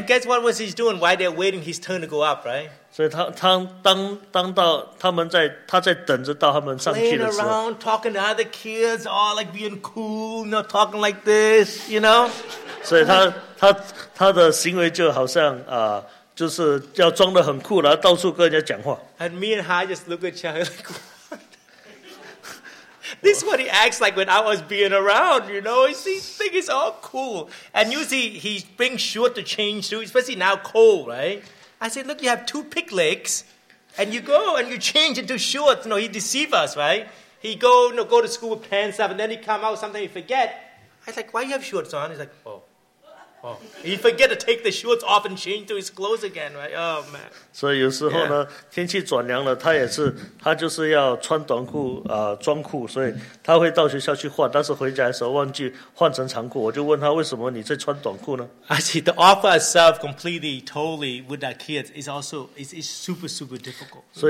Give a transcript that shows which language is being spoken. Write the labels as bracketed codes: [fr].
[en] And guess what was he doing while they're waiting his turn to go up, right? [zh] 所以他在等着到他们上去的时候 [en] playing around, talking to other kids, all like being cool, you know, talking like this, you know? [zh] 所以他的行为就好像就是要装得很酷,然后到处跟人家讲话。 [en] And me and Hai just look at each other like, this is what he acts like when I was being around, you know? He thinks it's all cool. And you see, he brings sure to change too, especially now cold, right? I said, look, you have two pig legs, and you go, and you change into shorts. No, he deceive us, right? He go, you know, go to school with pants up, and then he come out, something he forget. I was like, why you have shorts on? He's like, oh. He forget to take the shorts off and change to his clothes again, right? Oh, man. [zh] 所以有时候呢,天气转凉了,他也是,他就是要穿短裤,装裤,所以他会到学校去换,但是回家的时候忘记换成长裤,我就问他为什么你在穿短裤呢? [en] I see, to offer ourselves completely, totally with our kids is also, it's super, super difficult.